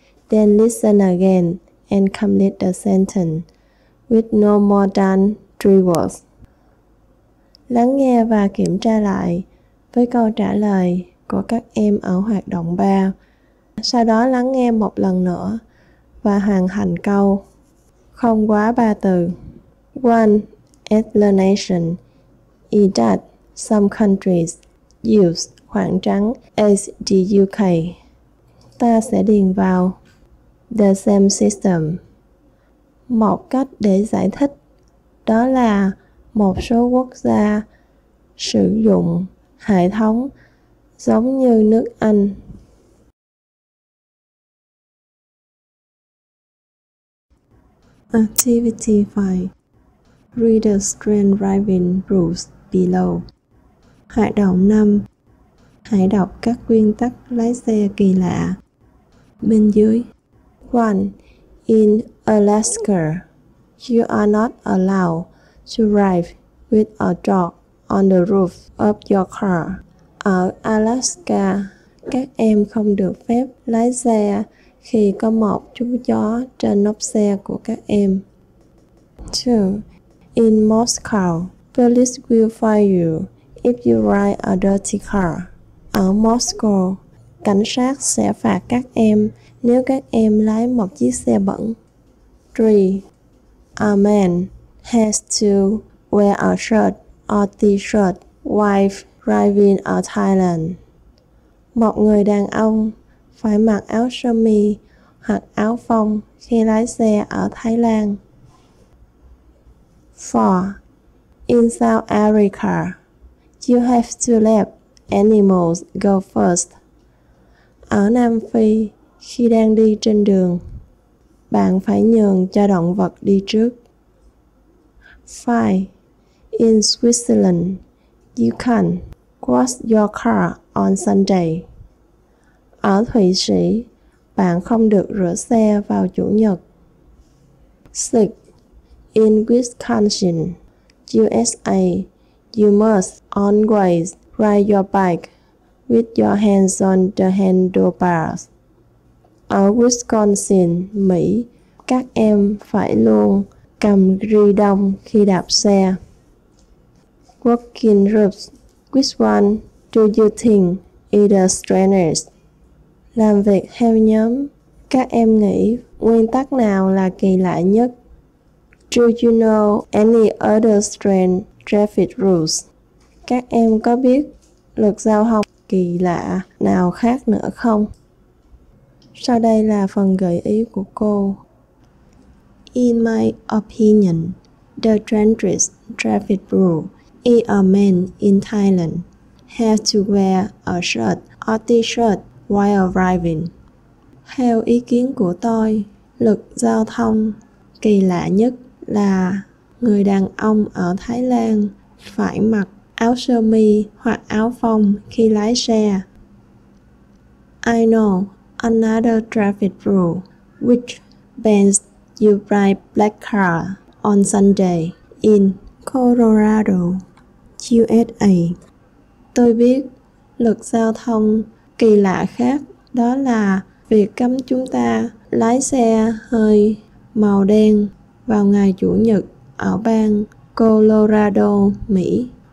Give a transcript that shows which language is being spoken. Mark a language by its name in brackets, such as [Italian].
[English] Then listen again and complete the sentence with no more than 3 words. [Vietnamese] Lắng nghe và kiểm tra lại với câu trả lời của các em ở hoạt động 3. Sau đó lắng nghe một lần nữa và hoàn thành câu không quá 3 từ. [English] 1. Explanation is that some countries use [Vietnamese] khoảng trắng [English] as the UK. [Vietnamese] Ta sẽ điền vào [English] the same system. [Vietnamese] Một cách để giải thích đó là một số quốc gia sử dụng hệ thống giống như nước Anh. [English] Activity 5. Read the strange driving rules below. [Vietnamese] Hoạt động 5. Hãy đọc các nguyên tắc lái xe kỳ lạ bên dưới. [English] 1. In Alaska, you are not allowed to drive with a dog on the roof of your car. [Vietnamese] Ở Alaska, các em không được phép lái xe khi có một chú chó trên nóc xe của các em. [English] 2. In Moscow, police will fine you if you ride a dirty car. [Vietnamese] Ở Moscow, cảnh sát sẽ phạt các em nếu các em lái một chiếc xe bẩn. 3. [English] A man has to wear a shirt or t-shirt while driving ở Thailand. [Vietnamese] Một người đàn ông phải mặc áo sơ mi hoặc áo phông khi lái xe ở Thái Lan. [English] 4. In South Africa, you have to let animals go first. [Vietnamese] Ở Nam Phi, khi đang đi trên đường, bạn phải nhường cho động vật đi trước. [English] 5. In Switzerland, you can wash your car on Sunday. [Vietnamese] Ở Thụy Sĩ, bạn không được rửa xe vào Chủ nhật. [English] 6. In Wisconsin, USA, you must always ride your bike with your hands on the handlebars. [Vietnamese] Ở Wisconsin, Mỹ, các em phải luôn cầm ri đông khi đạp xe. [English] Working groups, which one do you think is the strangest? [Vietnamese] Làm việc theo nhóm, các em nghĩ nguyên tắc nào là kỳ lạ nhất? [English] Do you know any other strange traffic rules? [Vietnamese] Các em có biết luật giao thông kỳ lạ nào khác nữa không? Sau đây là phần gợi ý của cô. [English] In my opinion, the strangest traffic rule is a man in Thailand has to wear a shirt or t-shirt while driving. [Vietnamese] Theo ý kiến của tôi, luật giao thông kỳ lạ nhất là người đàn ông ở Thái Lan phải mặc áo sơ mi hoặc áo phông khi lái xe. [English] I know another traffic rule which bans you ride black car on Sunday in Colorado, USA. [Vietnamese] Tôi biết luật giao thông kỳ lạ khác, đó là việc cấm chúng ta lái xe hơi màu đen vào ngày Chủ nhật ở bang Colorado, Mỹ.